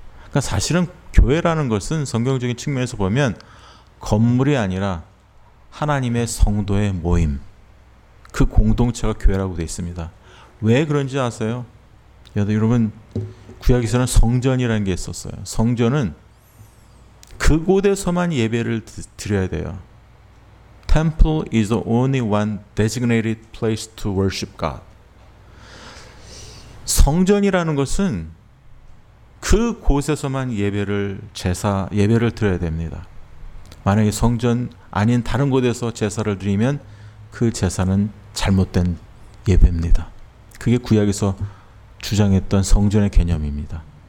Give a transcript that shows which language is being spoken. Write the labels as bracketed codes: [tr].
[ko] 그러니까 사실은 교회라는 것은 성경적인 측면에서 보면 건물이 아니라 하나님의 성도의 모임, 그 공동체가 교회라고 되어 있습니다. 왜 그런지 아세요? 여러분, 구약에서는 성전이라는 게 있었어요. 성전은 그곳에서만 예배를 드려야 돼요. [en] Temple is the only one designated place to worship God. [ko] 성전이라는 것은 그 곳에서만 예배를 드려야 됩니다. 만약에 성전 아닌 다른 곳에서 제사를 드리면 그 제사는 잘못된 예배입니다. 그게 구약에서 주장했던 성전의 개념입니다.